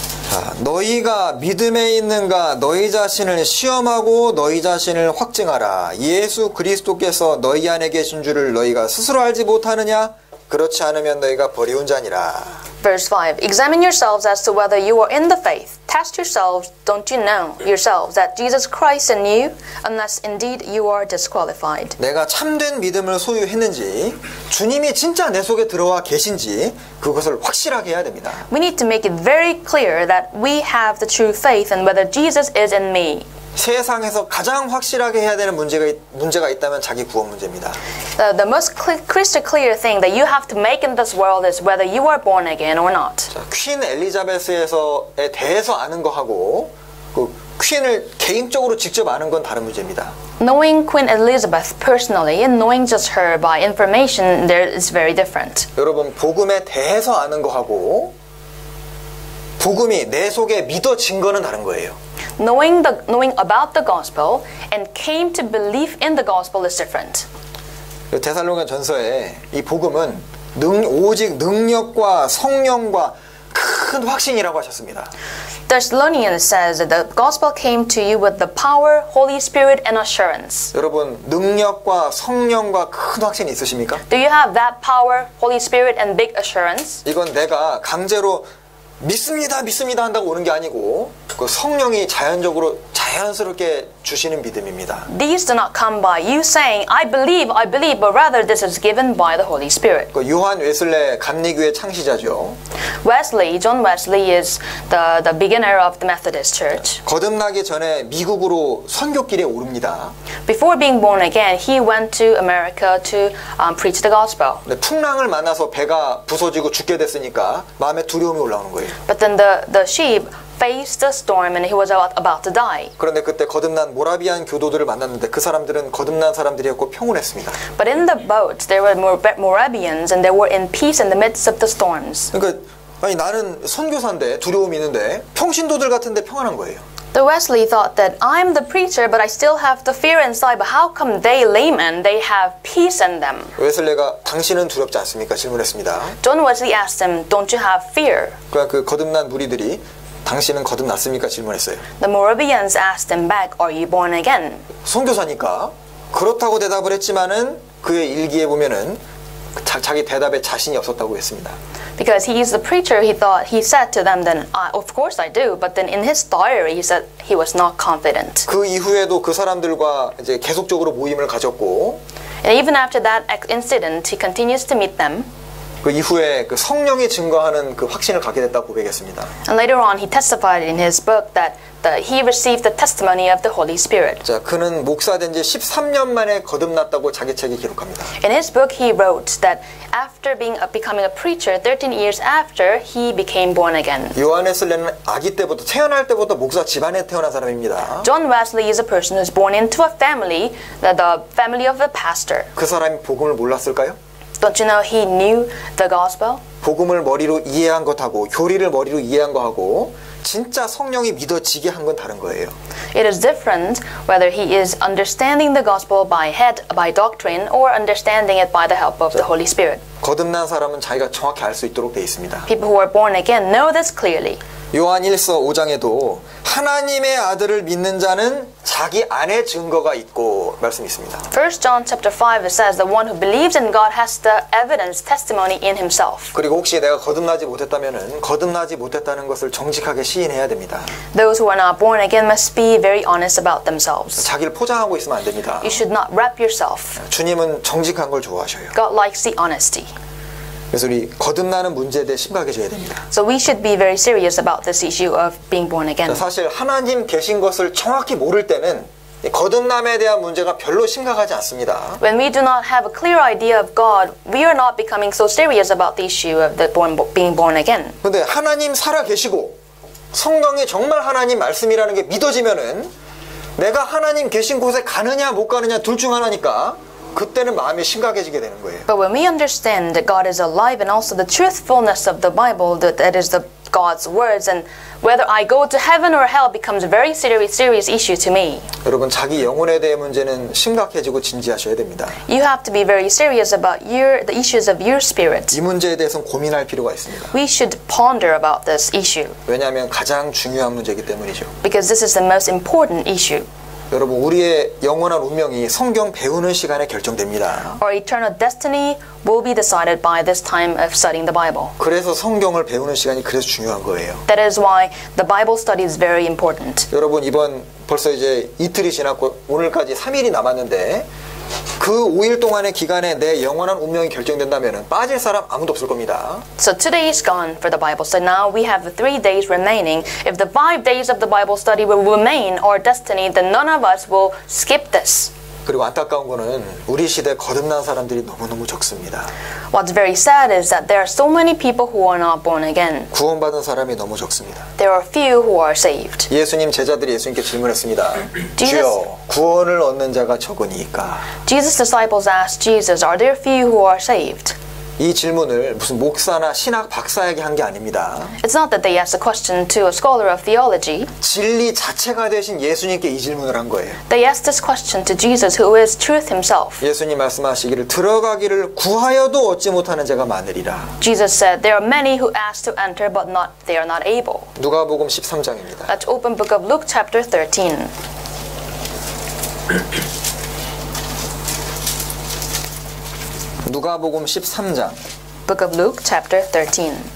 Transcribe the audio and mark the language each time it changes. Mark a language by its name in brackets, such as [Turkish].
[Korean] 자, 너희가 믿음에 있는가 너희 자신을 시험하고 너희 자신을 확증하라. 예수 그리스도께서 너희 안에 계신 줄을 너희가 스스로 알지 못하느냐? 그렇지 않으면 너희가 버리운 자니라. [English] Verse 5. Examine yourselves as to whether you are in the faith. Test yourselves, don't you know yourselves that Jesus Christ in you, unless indeed you are disqualified. [Korean] 내가 참된 믿음을 소유했는지, 주님이 진짜 내 속에 들어와 계신지, 그것을 확실하게 해야 됩니다. [English] We need to make it very clear that we have the true faith and whether Jesus is in me. [Korean] 세상에서 가장 확실하게 해야 되는 문제가 있다면 자기 구원 문제입니다. [English] The most crystal clear thing that you have to make in this world is whether you are born again or not. [Korean] 퀸 엘리자베스에 대해서 아는 거하고 그 퀸을 개인적으로 직접 아는 건 다른 문제입니다. [English] Knowing Queen Elizabeth personally and knowing just her by information, there is very different. [Korean] 여러분 복음에 대해서 아는 거하고 복음이 내 속에 믿어진 거는 다른 거예요. [English] Knowing about the gospel and came to believe in the gospel is different. [Korean] 데살로니가 전서에 이 복음은 오직 능력과 성령과 큰 확신이라고 하셨습니다. [English] Thessalonians says that the gospel came to you with the power, Holy Spirit, and assurance. [Korean] 여러분 능력과 성령과 큰 확신 있으십니까? [English] Do you have that power, Holy Spirit, and big assurance? [Korean] 이건 내가 강제로 믿습니다, 믿습니다 한다고 오는 게 아니고 그 성령이 자연적으로 자연스럽게 주시는 믿음입니다. [English] These do not come by you saying I believe, I believe, but rather this is given by the Holy Spirit. [Korean] 그 요한 웨슬레 감리교의 창시자죠. [English] Wesley, John Wesley is the beginner of the Methodist Church. [Korean] 거듭나기 전에 미국으로 선교길에 오릅니다. [English] Before being born again, he went to America to preach the gospel. [Korean] 풍랑을 만나서 배가 부서지고 죽게 됐으니까 마음에 두려움이 올라오는 거예요. [English] But then the sheep faced the storm and he was about to die. [Korean] 그런데 그때 거듭난 모라비안 교도들을 만났는데 그 사람들은 거듭난 사람들이었고 평온했습니다. [English] But in the boat there were Moravians and they were in peace in the midst of the storms. [Korean] 그러니까 아니 나는 선교사인데 두려움이 있는데 평신도들 같은데 평안한 거예요. [English] The Wesley thought that I'm the preacher but I still have the fear inside but how come they laymen they have peace in them? [Korean] 웨슬레가 당신은 두렵지 않습니까? 질문했습니다. [English] John Wesley asked him, "Don't you have fear?" [Korean] 그러니까 그 거듭난 무리들이 당신은 거듭났습니까? 질문했어요. [English] The Moravians asked him back, "Are you born again?" [Korean] 선교사니까 그렇다고 대답을 했지만은 그의 일기에 보면은 자기 대답에 자신이 없었다고 했습니다. [English] Because he is the preacher, he thought he said to them, "Then of course I do." But then in his diary, he said he was not confident. [Korean] 그 이후에도 그 사람들과 이제 계속적으로 모임을 가졌고. [English] And even after that incident, he continues to meet them. [Korean] 그 이후에 그 성령이 증거하는 그 확신을 갖게 됐다고 고백했습니다. [English] And later on, he testified in his book that he received the testimony of the Holy Spirit. [Korean] 자, 그는 목사된 지 13년 만에 거듭났다고 자기 책에 기록합니다. [English] In his book, he wrote that after becoming a preacher, 13 years after, he became born again. [Korean] 요한 웨슬레는 아기 때부터 태어날 때부터 목사 집안에 태어난 사람입니다. [English] John Wesley is a person who's born into a family, the family of a pastor. [Korean] 그 사람이 복음을 몰랐을까요? [English] Don't you know he knew the gospel? [Korean] 복음을 머리로 이해한 것하고 교리를 머리로 이해한 거하고 진짜 성령이 믿어지게 한 건 다른 거예요. [English] It is different whether he is understanding the gospel by head, by doctrine, or understanding it by the help of the Holy Spirit. [Korean] 거듭난 사람은 자기가 정확히 알 수 있도록 돼 있습니다. [English] People who are born again know this clearly. [Korean] 요한 1서 5장에도 하나님의 아들을 믿는 자는 자기 안에 증거가 있고 말씀이 있습니다. [English] 1 John chapter 5 says the one who believes in God has the evidence testimony in himself. [Korean] 그리고 혹시 내가 거듭나지 못했다면은 거듭나지 못했다는 것을 정직하게 시인해야 됩니다. [English] Those who are not born again must be very honest about themselves. [Korean] 자기를 포장하고 있으면 안 됩니다. [English] You should not wrap yourself. [Korean] 주님은 정직한 걸 좋아하셔요. [English] God likes the honesty. [Korean] 그래서 우리 거듭나는 문제에 대해 심각해져야 됩니다. [English] So we should be very serious about this issue of being born again. [Korean] 사실 하나님 계신 것을 정확히 모를 때는 거듭남에 대한 문제가 별로 심각하지 않습니다. [English] When we do not have a clear idea of God, we are not becoming so serious about the issue of being born again. [Korean] 근데 하나님 살아 계시고 성경이 정말 하나님 말씀이라는 게 믿어지면은 내가 하나님 계신 곳에 가느냐 못 가느냐 둘 중 하나니까 그때는 마음이 심각해지게 되는 거예요. [English] But when we understand that God is alive and also the truthfulness of the Bible, that is the God's words, and whether I go to heaven or hell becomes a very serious issue to me. [Korean] 여러분 자기 영혼에 대해 문제는 심각해지고 진지하셔야 됩니다. [English] You have to be very serious about the issues of your spirit. [Korean] 이 문제에 대해서는 고민할 필요가 있습니다. [English] We should ponder about this issue. [Korean] 왜냐하면 가장 중요한 문제이기 때문이죠. [English] Because this is the most important issue. [Korean] 여러분 우리의 영원한 운명이 성경 배우는 시간에 결정됩니다. [English] Our eternal destiny will be decided by this time of studying the Bible. [Korean] 그래서 성경을 배우는 시간이 그래서 중요한 거예요. [English] That is why the Bible study is very important. [Korean] 여러분 이번 벌써 이제 이틀이 지났고 오늘까지 3일이 남았는데 그 5일 동안의 기간에 내 영원한 운명이 결정된다면은 빠질 사람 아무도 없을 겁니다. [English] So today is gone for the Bible. So now we have 3 days remaining. If the 5 days of the Bible study will remain our destiny, then none of us will skip this. [Korean] 그리고 안타까운 거는 우리 시대 거듭난 사람들이 너무너무 적습니다. [English] What's very sad is that there are so many people who are not born again. [Korean] 구원받은 사람이 너무 적습니다. [English] There are few who are saved. [Korean] 예수님 제자들이 예수님께 질문했습니다. 주여, 구원을 얻는 자가 적으니까. [English] Jesus' disciples asked Jesus, are there few who are saved? [Korean] 이 질문을 무슨 목사나 신학 박사에게 한 게 아닙니다. [English] It's not that they asked a question to a scholar of theology. [Korean] 진리 자체가 되신 예수님께 이 질문을 한 거예요. [English] They asked this question to Jesus, who is truth himself. [Korean] 예수님 말씀하시기를 들어가기를 구하여도 얻지 못하는 자가 많으리라. [English] Jesus said, there are many who ask to enter, but not they are not able. [Korean] 누가복음 13장입니다. [English] Let's open book of Luke chapter 13. [Korean] 누가복음 13장 [English] Book of Luke chapter 13